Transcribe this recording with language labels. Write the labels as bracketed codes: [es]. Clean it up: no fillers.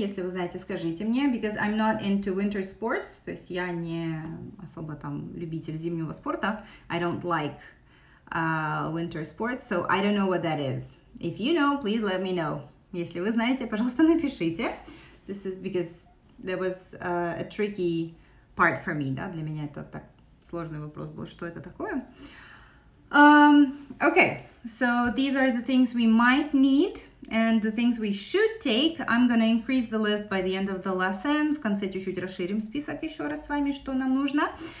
[ru] Если вы знаете, скажите мне. [en] Because I'm not into winter sports. [ru] То есть я не особо там любитель зимнего спорта. [en] I don't like winter sports. So I don't know what that is. If you know, please let me know. [ru] Если вы знаете, пожалуйста, напишите. [en] This is because there was a tricky part for me, [ru] да? Для меня это так сложный вопрос был, что это такое. [en] Okay, so these are the things we might need and the things we should take. I'm gonna increase the list by the end of the lesson. [ru] В конце чуть-чуть расширим список еще раз с вами, что нам нужно.